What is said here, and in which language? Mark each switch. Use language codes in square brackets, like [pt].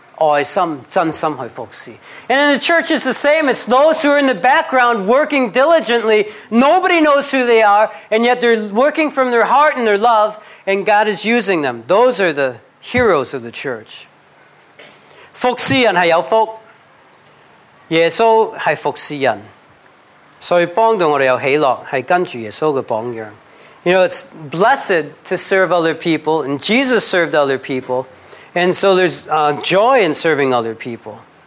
[zh] 最伟大是幕后工作，没人知，没名少卒，但是用爱心、真心去服侍。 [en] And in the church it's the same. It's those who are in the background working diligently. Nobody knows who they are, and yet they're working from their heart and their love, and God is using them. Those are the heroes of the church. [zh] 服侍人是有福，耶稣是服侍人。所以帮助我们有喜乐，是跟着耶稣的榜样。 [en] You know, it's blessed to serve other people, and Jesus served other people, and so there's joy in serving other people.